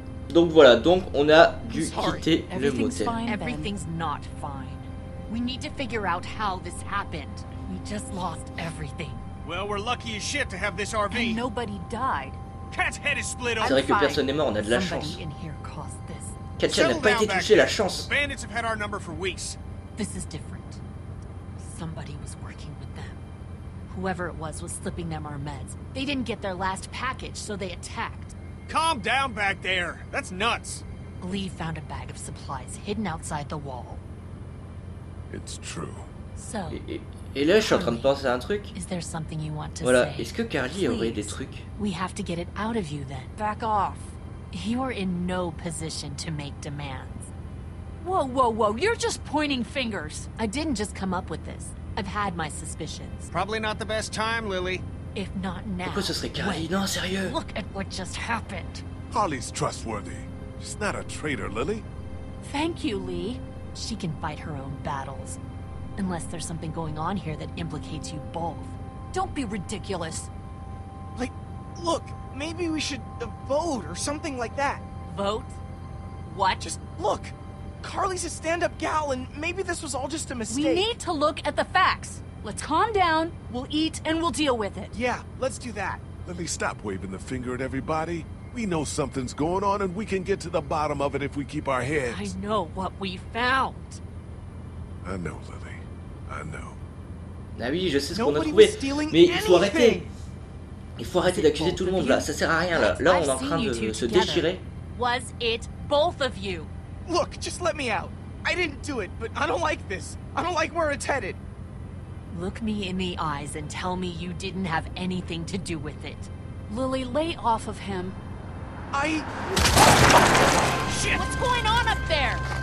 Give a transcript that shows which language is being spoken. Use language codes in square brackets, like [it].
[fr] Donc voilà, donc on a dû quitter le motel. [en] Everything's not fine. We need to figure out how this happened. We just lost everything. Well, we're lucky as shit to have this RV. And nobody died. Cat's head is split open. [fr] C'est vrai que personne n'est mort, on a de la chance. [en] Somebody in here caused this. [fr] Katia n'a pas été touchée, la chance. [en] The bandits have had our number for weeks. This is different. Somebody was working with them. Whoever it was slipping them our meds. They didn't get their last package, so they attacked. Calm down back there. That's nuts. Lee found a bag of supplies hidden outside the wall. It's true. [fr] Et là, je suis en train de penser à un truc. Voilà, est-ce que Carly aurait des trucs? [en] We have to get it out of you then. Back off. You're in no position to make demands. Whoa, whoa, whoa, you're just pointing fingers. I didn't just come up with this. I've had my suspicions. Probably not the best time, Lily. If not now. [fr] Pourquoi ce serait Carly? Non, sérieux. [en] Look at what just happened. Carly's trustworthy. She's not a traitor, Lily. Thank you, Lee. She can fight her own battles. Unless there's something going on here that implicates you both. Don't be ridiculous. Like, look, maybe we should vote or something like that. Vote? What? Just look. Carly's a stand-up gal, and maybe this was all just a mistake. We need to look at the facts. Let's calm down, we'll eat, and we'll deal with it. Yeah, let's do that. Lily, stop waving the finger at everybody. We know something's going on, and we can get to the bottom of it if we keep our heads. I know what we found. I know, Lily. I know. [fr] Ah oui, je sais ce qu'on a trouvé. Mais il faut arrêter. Il faut arrêter d'accuser tout le monde, là. Ça sert à rien, là. Là, on est en train de se déchirer. [en] Was it both of you? Look, just let me out. I didn't do it, but I don't like this. I don't like where it's headed. Look me in the eyes and tell me you didn't have anything to do with it. Lily, lay off of him. I... Shit! What's going on up there?